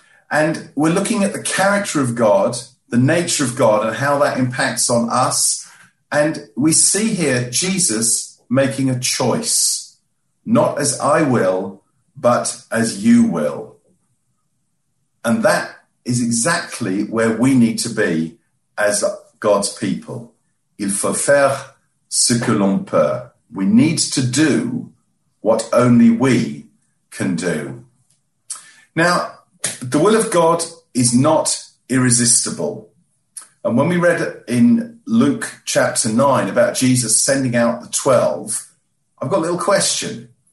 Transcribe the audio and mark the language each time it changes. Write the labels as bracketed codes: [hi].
[en] And we're looking at the character of God, the nature of God, and how that impacts on us. And we see here Jesus making a choice, not as I will, but as you will. And that is exactly where we need to be as God's people. [fr] Il faut faire ce que l'on peut. [en] We need to do what only we can do. Now, the will of God is not irresistible. And when we read in Luke chapter 9 about Jesus sending out the 12, I've got a little question.